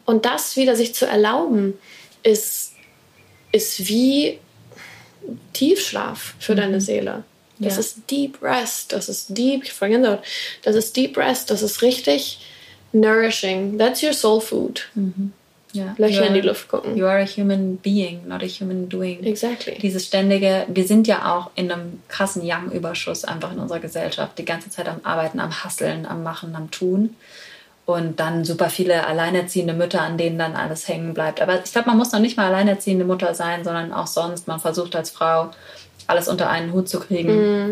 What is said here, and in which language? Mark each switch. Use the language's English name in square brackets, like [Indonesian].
[German] Und das wieder sich zu erlauben, ist wie Tiefschlaf für mhm. deine Seele. Das ja. ist Deep Rest. Das ist Deep, ich vergesse das Wort. Das ist Deep Rest. Das ist richtig [English] nourishing. That's your soul food. [German] Mhm. Ja. Löcher in die Luft gucken. [English] You are a human being, not a human doing. Exactly. [German] Dieses ständige, wir sind ja auch in einem krassen Yang-Überschuss einfach in unserer Gesellschaft. Die ganze Zeit am Arbeiten, am Hustlen, am Machen, am Tun. Und dann super viele alleinerziehende Mütter, an denen dann alles hängen bleibt. Aber ich glaube, man muss noch nicht mal alleinerziehende Mutter sein, sondern auch sonst. Man versucht als Frau, alles unter einen Hut zu kriegen.